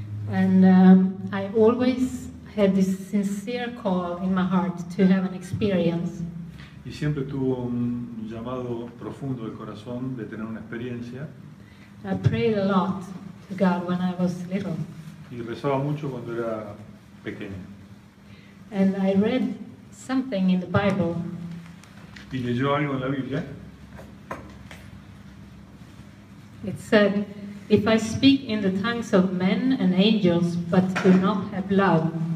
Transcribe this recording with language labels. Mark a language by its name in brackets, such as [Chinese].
[English] And I always had this sincere call in my heart to have an experience. [Spanish] Y siempre tuvo un llamado profundo del corazón de tener una experiencia. [English] I prayed a lot to God when I was little. [Spanish] Y rezaba mucho cuando era pequeño. [English] And I read something in the Bible. [Spanish] Y leyó algo en la Biblia. [English] It said, if I speak in the tongues of men and angels, but do not have love.